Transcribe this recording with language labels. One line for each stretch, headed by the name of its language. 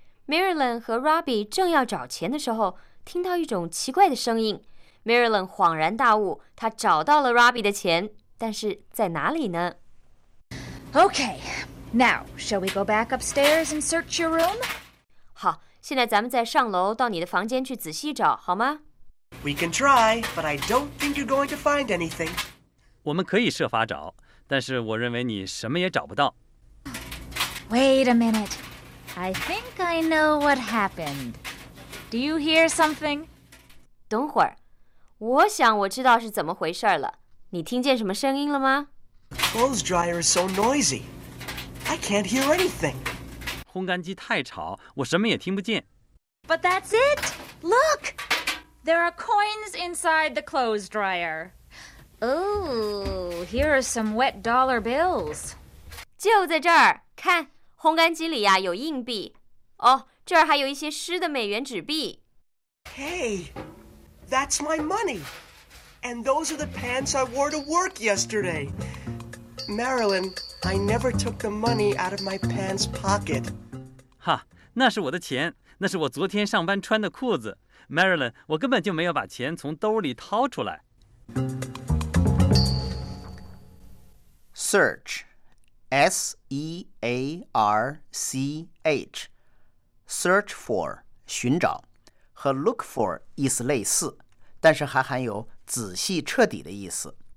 Chinese: Marilyn 和 Robbie 正要找钱的时候，听到一种奇怪的声音。 Marilyn 恍然大悟，她找到了 Robbie 的钱，但是在哪里呢？
English: Okay. Now, shall we go back upstairs and search your room?
Chinese: 好，现在咱们再上楼到你的房间去仔细找，好吗？
English: We can try, but I don't think you're going to find anything.
Chinese: 我们可以设法找，但是我认为你什么也找不到。
English: Wait a minute. I think I know what happened. Do you hear something?
Chinese: 等会儿，我想我知道是怎么回事了。你听见什么声音了吗？
English: Clothes dryer is so noisy. I can't hear anything.
Chinese: 烘干机太吵，我什么也听不见。
English: But that's it. Look, there are coins inside the clothes dryer. Oh, here are some wet dollar bills.
Chinese: 就在这儿，看，烘干机里呀有硬币。哦，这儿还有一些湿的美元纸币。
English: Hey, that's my money. And those are the pants I wore to work yesterday. Marilyn, I never took the money out of my pants pocket.
Chinese: 哈，那是我的钱，那是我昨天上班穿的裤子。 Marilyn, 我根本就没有把钱从兜里掏出来。 Search, S-E-A-R-C-H,
English: search for,
Chinese: 寻找，和
English: look for
Chinese: 意思类似，但是还含有仔细彻底的意思。